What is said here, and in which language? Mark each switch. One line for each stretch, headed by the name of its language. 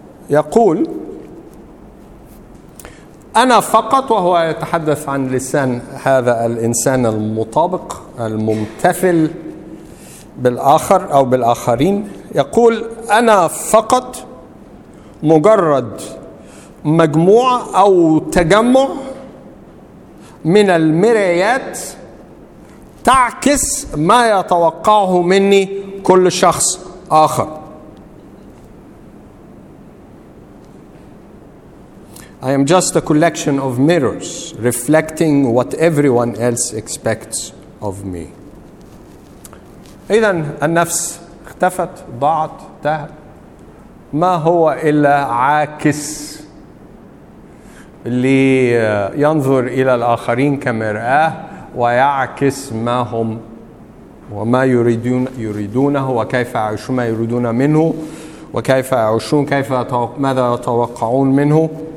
Arabic: يقول أنا فقط، وهو يتحدث عن لسان هذا الإنسان المطابق الممتثل بالآخر أو بالآخرين، يقول أنا فقط مجرد مجموعة أو تجمع من المرايات تعكس ما يتوقعه مني كل شخص آخر.
English: I am just a collection of mirrors reflecting what everyone else expects of me.
Arabic: إذن النفس اختفت، ضاعت، ذهب، ما هو إلا عاكس اللي ينظر إلى الآخرين كمرآة ويعكس ما هم وما يريدونه وكيف يعيشون، ما يريدون منه وكيف يعيشون، كيف ماذا يتوقعون منه.